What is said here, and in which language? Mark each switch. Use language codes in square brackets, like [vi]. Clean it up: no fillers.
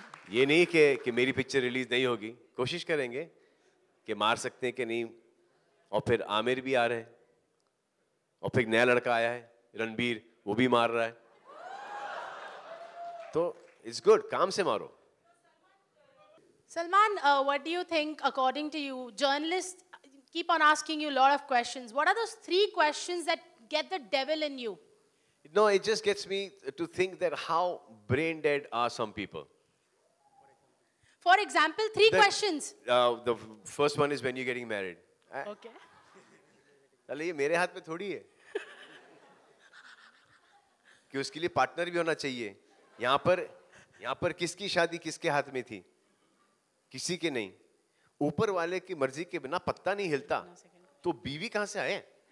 [hi] ये नहीं कि मेरी पिक्चर रिलीज नहीं होगी, कोशिश करेंगे कि मार सकते हैं कि नहीं. और फिर आमिर भी आ रहे हैं, और फिर नया लड़का आया है रणबीर, वो भी मार रहा है. तो [en] it's good, [hi] काम से मारो. [en] Salman, what do you think, according to you, journalists keep on asking you a lot of questions. What are those three questions that get the devil in you? No, it just gets me to think that how brain dead are some people. For example, three questions. The first one is, when you're getting married. Okay. [hi] अरे ये मेरे हाथ में थोड़ी है कि उसके लिए पार्टनर भी होना चाहिए. यहाँ पर किसकी शादी किसके हाथ में थी? किसी के नहीं. ऊपर वाले की मर्जी के बिना पत्ता नहीं हिलता, तो बीवी कहां से आए?